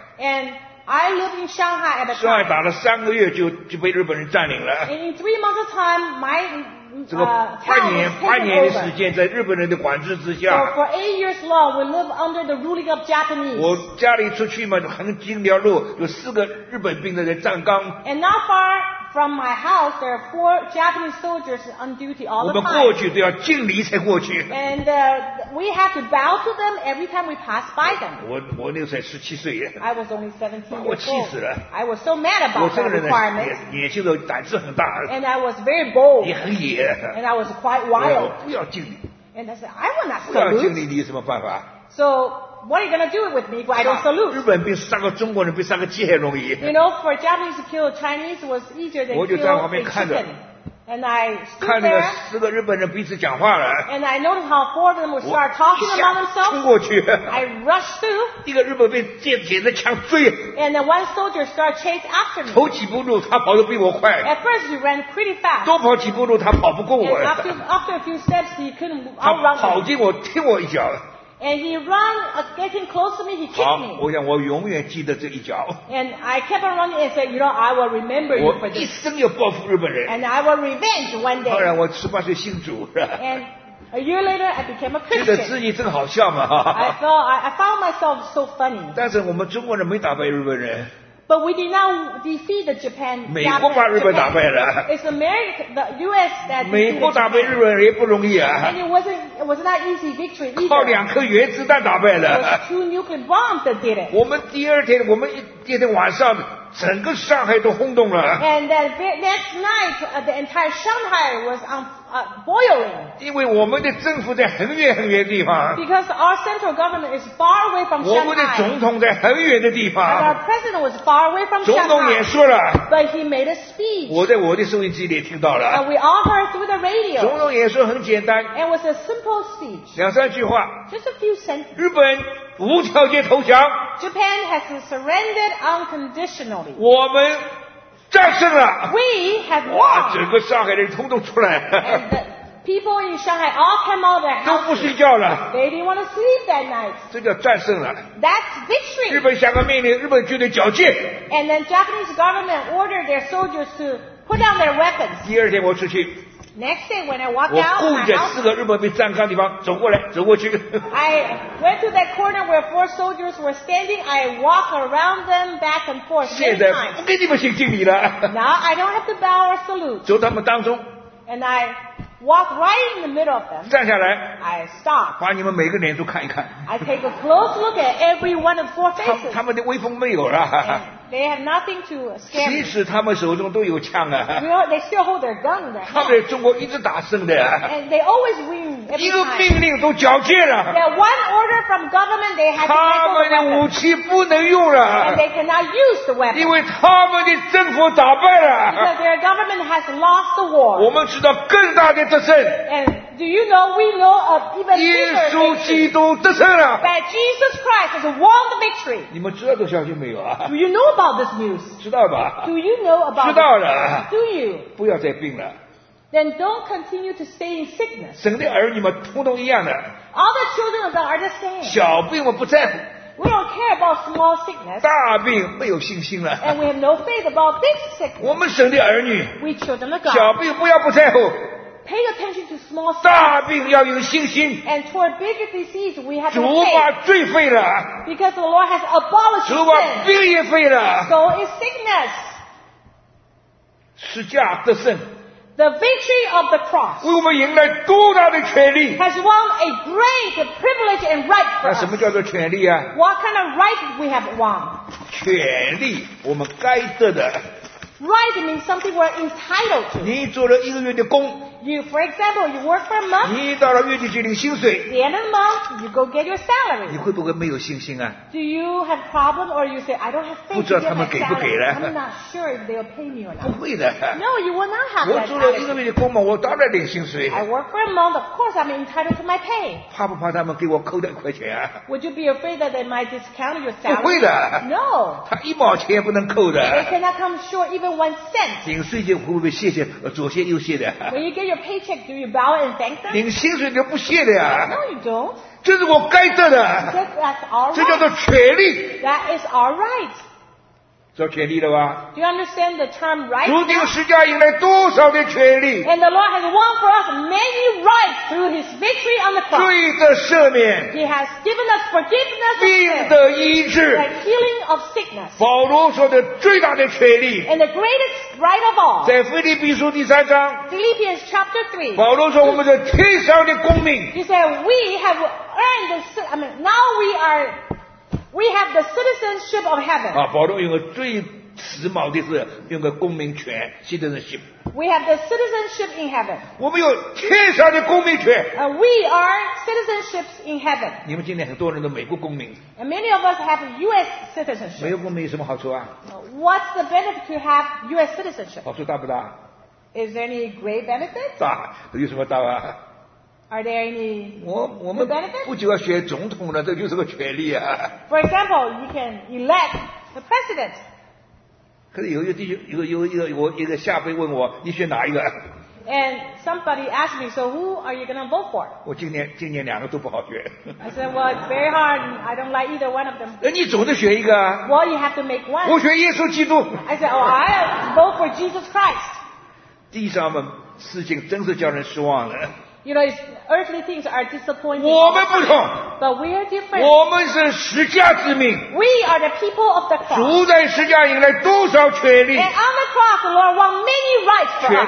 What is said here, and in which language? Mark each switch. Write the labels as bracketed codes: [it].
[en] And I live in Shanghai at the time. [zh] 上海打了三个月就被日本人占领了。 [en] And in 3 months of time, my [zh] 这个半年的时间在日本人的管制之下。 [en] So for 8 years long, we live under the ruling of Japanese. [zh] 我家里出去嘛，横经条路有四个日本兵在站岗。 [en] And not far from my house, there are 4 Japanese soldiers on duty all the time. [zh] 我们过去都要敬礼才过去。 [en] And we have to bow to them every time we pass by them. [zh] 我那个才17岁。 [en] I was only 17 years [zh] old. 我气死了。 [en] I was so mad about that requirement. [zh] 我这个人野性的胆子很大。 [en] And I was very bold. [zh] 也很野。 [en] And I was quite wild. [zh] 我不要敬礼。 [en] And I said, I will not salute. [zh] 不要敬礼，你有什么办法？ [en] So what are you going to do with me if I don't salute? [zh] 日本兵杀个中国人比杀个鸡还容易。 [en] You know, for Japanese to kill Chinese was easier than kill a chicken. And I stood there. [zh] 看着四个日本人彼此讲话了。 [en] And I noticed how four of them would start talking among themselves. [zh] 冲过去。 [en] I rushed through. [zh] 一个日本兵捡着枪追。 [en] And then one soldier started chasing after me. [zh] 头几步路他跑得比我快。 [en] At first he ran pretty fast. [zh] 多跑几步路他跑不过我。 [en] And after a few steps he couldn't outrun me. [zh] 跑进我踢我一脚。 [en] And he ran, getting close to me, he kicked me. [zh] 我想我永远记得这一脚。 [en] And I kept on running and said, you know, I will remember you for this. [zh] 我一生要报复日本人。 [en] And I will revenge one day. [zh] 后来我18岁信主。 [en] And a year later, I became a Christian. [zh] 觉得自己真好笑嘛。 [en] I found myself so funny. [zh] 但是我们中国人没打败日本人。 [en] But we did not defeat the Japan. [zh] 美国把日本打败了。 [en] It's America, the U.S. that defeated. [zh] 美国打败日本也不容易啊。 [en] And it was not easy victory either. [zh] 靠两颗原子弹打败了。 [en] It was two nuclear bombs that did it. [zh] 我们第二天晚上整个上海都轰动了。 [en] And that next night, the entire Shanghai was on boiling. [zh] 因为我们的政府在很远很远的地方。 [en] Because our central government is far away from Shanghai. [zh] 我们的总统在很远的地方。 [en] And our president was far away from Shanghai. [zh] 总统也说了。 [en] But he made a speech. [zh] 我在我的收音机里听到了。 [en] And we all heard through the radio. [zh] 总统也说很简单。 [en] And it was a simple speech. [zh] 两三句话。 [en] Just a few sentences. [zh] 日本无条件投降。 [en] Japan has surrendered unconditionally. [zh] 我们战胜了。 [en] We have won. [zh] 哇，整个上海的人通通出来。 [en] And the people in Shanghai all came out of their houses. [zh] 都不睡觉了。 [en] They didn't want to sleep that night. [zh] 这叫战胜了。 [en] That's victory. [zh] 日本下个命令，日本军队缴械。 [en] And then Japanese government ordered their soldiers to put down their weapons. [zh] 第二天我出去。 [en] Next day when I walked out, [zh] 我故意在四个日本兵站岗的地方走过来走过去。 [en] I went to that corner where 4 soldiers were standing. I walked around them back and forth. [zh] 现在不跟你们行敬礼了。 [en] Now I don't have to bow or salute. [zh] 走他们当中。 [en] And I walked right in the middle of them. [zh] 站下来。 [en] I stopped. [zh] 把你们每个脸都看一看。 [en] I take a close look at every one of 4 faces. [zh] 他们的威风没有了。 [en] They have nothing to scare. [zh] 其实他们手中都有枪啊。 [en] You know, they still hold their gun. Their [zh] 他们在中国一直打胜的、啊。 [en] And they always win. [zh] 一个命令都缴械了。 [en] Yeah, one order from government, they have to take the weapon. [zh] 他们的武器不能用了。 [en] And they cannot use the weapon. [zh] 因为他们的政府打败了。 [en] Because their government has lost the war. [zh] 我们取得更大的得胜。 [en] And do you know we know of even bigger [zh] victory? 耶稣基督得胜了。 [en] That Jesus Christ has won the victory. [zh] 你们知道这消息没有啊？ [en] Do you know about this news? [zh] 知道吧？ [en] Do you know about? [zh] 知道了。 [en] Do you? [zh] 不要再病了。 [en] Then don't continue to stay in sickness. [zh] 省的儿女们通通一样的。 [en] All the children of God are the same. [zh] 小病我不在乎。 [en] We don't care about small sickness. [zh] 大病没有信心了。 [en] And we have no faith about big sickness. [zh] 我们省的儿女。 [en] We children of God. [zh] 小病不要不在乎。 [en] Pay attention to small sins. [zh] 大病要有信心。 [en] And toward bigger disease, we have to pay. [zh] 主把罪废了。 [en] Because the Lord has abolished sin. [zh] 主把病也废了。 [en] So is sickness. [zh] 十架得胜。 [en] The victory of the cross [zh] 为我们赢了多大的权利 [en] has won a great privilege and right for us. [zh] 那什么叫做权利啊 [en] What kind of right we have won? [zh] 权利我们该得的 [en] Right means something we're entitled to. [zh] 你做了一个月的工 [en] You, for example, you work for a month. [zh] 你到了月底去领薪水 [en] The end of the month, you go get your salary. [zh] 你会不会没有信心啊 [en] Do you have problem or you say, I don't have faith [zh] 不知道他们给不给了 [en] I'm not sure if they'll pay me or not. [zh] 不会的 [en] No, you will not have [zh] 我做了一个月的工嘛我当然领薪水 [en] I work for a month, of course, I'm entitled to my pay. [zh] 怕不怕他们给我扣两块钱啊 [en] Would you be afraid that they might discount your salary? [zh] 不会的 [en] No. [zh] 他一毛钱也不能扣的 [en] They cannot come short even one cent. [zh] 领税金会不会谢谢左谢右谢的 [en] When you get your paycheck, do you bow and thank them? [zh] 领薪水就不谢的呀 [en] No, you don't. [zh] 这是我该得的 [en] right. [zh] 这叫做权利 [en] That is our right [zh] 叫权利了吧 [en] Do you understand the term right? [zh] 主钉十字架引来多少的权利 [en] And the Lord has won for us many rights through his victory on the cross [zh] 罪的赦免 [en] He has given us forgiveness [zh] 病的医治 [en] The healing of sickness [zh] 保罗说的最大的权利 [en] And the greatest right of all [zh] 在腓立比书第三章 [en] Philippians chapter 3 [zh] 保罗说我们是天上的公民 [en] He said we haveAnd the, I mean, now we have the citizenship of heaven. [zh] 啊，保罗用个最时髦的是用个公民权 citizenship. [en] We have the citizenship in heaven. [zh] 我们有天上的公民权。 [en] We are citizenships in heaven. [zh] 你们今天很多人都美国公民。 [en] And many of us have U.S. citizenship. [zh] 美国公民有什么好处啊 [en] ？What's the benefit to have U.S. citizenship? [zh] 好处大不大 [en] ？Is there any great benefit? [zh] 大，有什么大啊？ [en] Are there any benefits? For example, you can elect the president. [zh] 可是有一个下辈问我，你选哪一个？ [en] And somebody asked me, so who are you going to vote for? [zh] 我今年两个都不好选。 [en] I said, well, it's very hard. I don't like either one of them. [zh] 那你总得选一个啊。 [en] Well, you have to make one. [zh] 我选耶稣基督。 [en] I said, oh, I vote for Jesus Christ. [zh] 地上的事情真是叫人失望了。 [en] You know, earthly things are disappointing. [zh] 我们不同 [en] But we are different. [zh] 我们是十架之命 [en] We are the people of the cross. [zh] 主在十架引来多少权利 [en] And on the cross, the Lord won many rights for us.